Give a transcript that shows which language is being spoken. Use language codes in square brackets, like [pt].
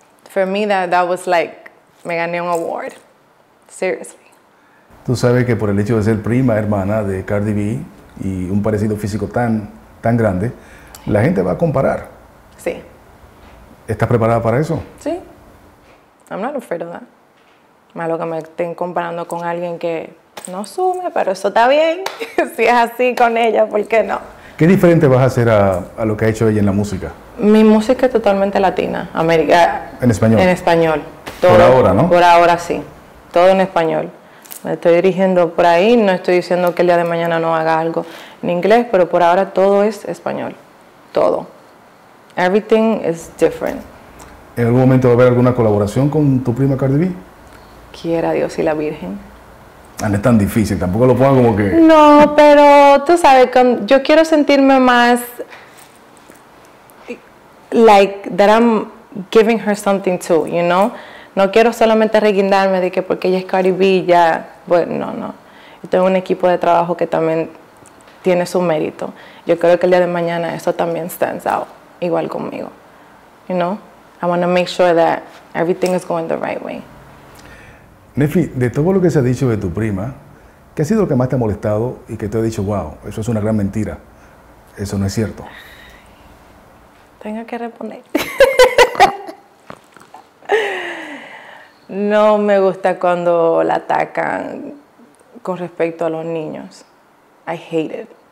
[en] For me, that was like, [es] me gané un [en] award. Seriously. [es] Tú sabes que por el hecho de ser prima, hermana de Cardi B y un parecido físico tan grande, la gente va a comparar. Sí. ¿Estás preparada para eso? [en] Sí. I'm not afraid of that. [es] Malo que me estén comparando con alguien que no sume, pero eso está bien. Si es así con ella, ¿por qué no? ¿Qué diferente vas a hacer a lo que ha hecho ella en la música? Mi música es totalmente latina, América. ¿En español? En español. Todo, por ahora, ¿no? Por ahora, sí. Todo en español. Me estoy dirigiendo por ahí, no estoy diciendo que el día de mañana no haga algo en inglés, pero por ahora todo es español, todo. [en] Everything is different. [es] ¿En algún momento va a haber alguna colaboración con tu prima Cardi B? Quiera Dios y la Virgen. No es tan difícil, tampoco lo pongan como que... No, pero tú sabes, yo quiero sentirme más... [en] Like that I'm giving her something too, you know? [es] No quiero solamente reguindarme de que porque ella es Cardi B, ya, bueno, no. Yo tengo un equipo de trabajo que también tiene su mérito. Yo creo que el día de mañana eso también [en] stands out, [es] igual conmigo. [en] You know? I want to make sure that everything is going the right way. [es] Nefi, de todo lo que se ha dicho de tu prima, ¿qué ha sido lo que más te ha molestado y que te ha dicho, wow, eso es una gran mentira? Eso no es cierto. Tengo que responder. No me gusta cuando la atacan con respecto a los niños. [en] I hate it.